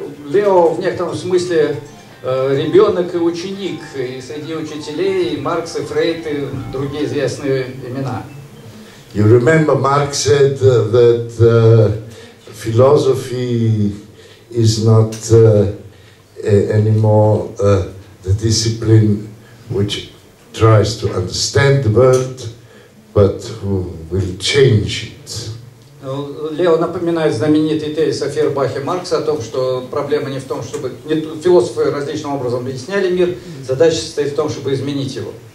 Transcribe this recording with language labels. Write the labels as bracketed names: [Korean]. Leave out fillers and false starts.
[Russian] Лео в некотором смысле ребенок и ученик, и среди учителей и Маркс, и Фрейд, и другие известные имена. [English] You remember Marx said that philosophy is not anymore the discipline which tries to understand the world, but who will change it. [Russian] Лео напоминает знаменитый тезис Фейербаха Маркса о том, что проблема не в том, чтобы философы различным образом объясняли мир, задача состоит в том, чтобы изменить его.